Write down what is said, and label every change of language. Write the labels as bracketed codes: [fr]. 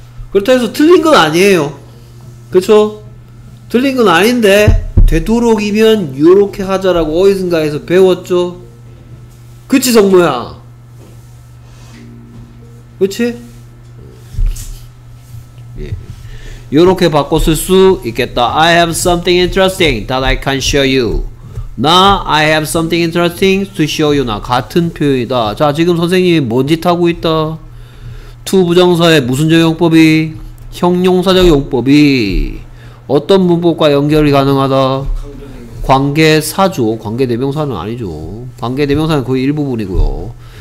[ko] 그렇다고 해서 틀린 건 아니에요. 그쵸? 틀린 건 아닌데 되도록이면 요렇게 하자라고 어디선가에서 배웠죠. 그치 성모야? 그치? 요렇게 바꿔 쓸 수 있겠다. [en] I have something interesting that I can show you. 나 I have something interesting to show you. [ko] 나 같은 표현이다. 자 지금 선생님이 뭔 짓 하고 있다. to 부정사의 무슨적 용법이 형용사적 용법이 어떤 문법과 연결이 가능하다. 관계사죠. 관계대명사는 아니죠. 관계대명사는 거의 일부분이고요.